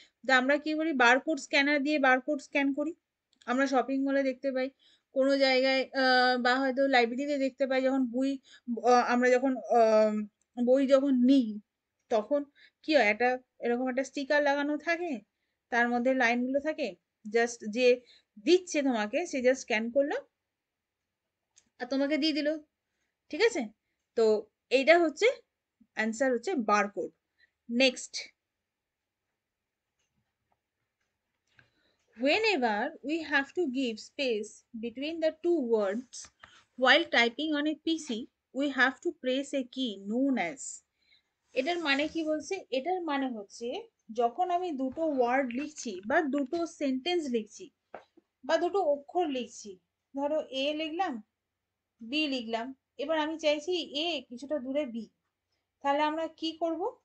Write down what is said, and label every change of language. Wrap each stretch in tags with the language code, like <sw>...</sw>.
<bn>তো আমরা কি করি, বার কোড স্ক্যানার দিয়ে বার কোড স্ক্যান করি, আমরা শপিং মলে দেখতে পাই কোনো জায়গায় বা হয়তো লাইব্রেরিতে দেখতে পাই, যখন বই আমরা যখন বই যখন নিই তখন কি হয়, একটা এরকম একটা স্টিকার লাগানো থাকে, তার মধ্যে লাইনগুলো থাকে, জাস্ট যে দিচ্ছে তোমাকে সে জাস্ট স্ক্যান করলো আর তোমাকে দিয়ে দিল, ঠিক আছে? তো এইটা হচ্ছে অ্যান্সার, হচ্ছে bar code. Next,</bn> <en>Whenever we have to give space between the two words while typing on a PC, we have to press a key known as.</en> <bn>এটার মানে কি বলছে? এটার মানে হচ্ছে যখন আমি দুটো ওয়ার্ড লিখছি বা দুটো সেন্টেন্স লিখছি বা দুটো অক্ষর লিখছি, ধরো এ লিখলাম বি লিখলাম, এবার আমি চাইছি এ কিছুটা দূরে বি, তাহলে আমরা কি করব?</bn>